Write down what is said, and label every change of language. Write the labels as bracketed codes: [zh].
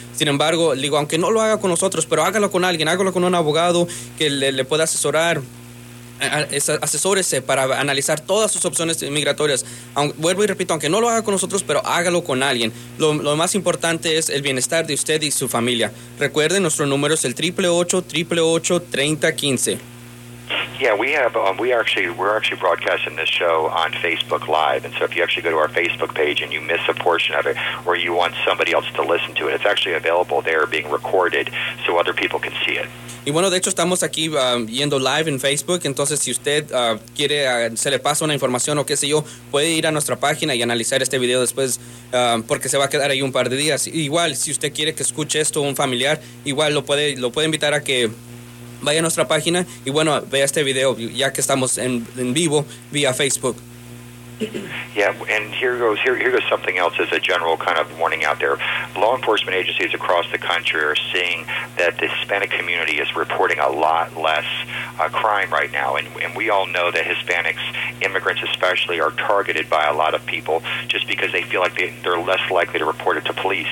[es] Sin embargo, digo, aunque no lo haga con nosotros, pero hágalo con alguien, hágalo con un abogado que le pueda asesorar. Asesórese para analizar todas sus opciones migratorias. Vuelvo y repito, aunque no lo haga con nosotros, pero hágalo con alguien. Lo más importante es el bienestar de usted y su familia. Recuerden, nuestro número es el 888-888-3015. [en] Yeah, we're actually broadcasting this show on Facebook Live, and so if you actually go to our Facebook page and you miss a portion of it, or you want somebody else to listen to it, it's actually available there being recorded so other people can see it. [es] Y bueno, de hecho estamos aquí yendo live en Facebook, entonces si usted quiere, se le pasa una información o qué sé yo, puede ir a nuestra página y analizar este video después, porque se va a quedar ahí un par de días. Igual, si usted quiere que escuche esto un familiar, igual lo puede invitar a que vaya a nuestra página y bueno, vea este video ya que estamos en vivo vía Facebook. [en] Yeah, and here goes something else as a general kind of warning out there. Law enforcement agencies across the country are seeing that the Hispanic community is reporting a lot less crime right now, and we all know that Hispanics, immigrants especially, are targeted by a lot of people just because they feel like they're less likely to report it to police.